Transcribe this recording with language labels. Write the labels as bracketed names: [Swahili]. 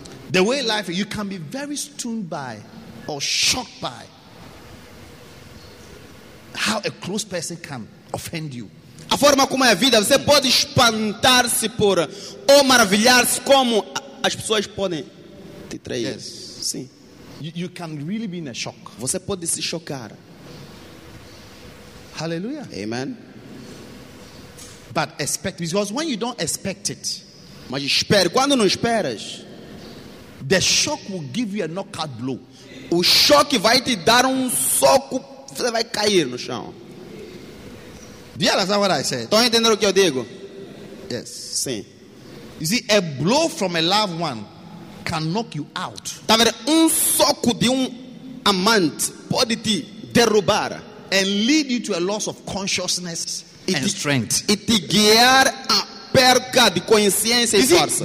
[English] the way life is, you can be very stunned by or shocked by how a close person can offend you. [Portuguese] A forma como é a vida, você pode espantar-se por ou maravilhar-se como as pessoas podem te trair. [English] Yes. [Portuguese] Sim. [English] You can really be in a shock. [Portuguese] Você pode se chocar. Hallelujah. Amen. [English] But expect, because when you don't expect it, [Portuguese] mas espere, quando não esperas, [English] the shock will give you a knockout blow. [Portuguese] O choque vai te dar soco, você vai cair no chão. [English] Do you understand what I said? [Portuguese] Estão entendendo o que eu digo? [English] Yes. [Portuguese] Sim. [English] You see, a blow from a loved one can knock you out. [Portuguese] Tá vendo? Soco de amante pode te derrubar. [English] And lead you to a loss of consciousness and strength. [Portuguese] E te guiar a perca de consciência e força.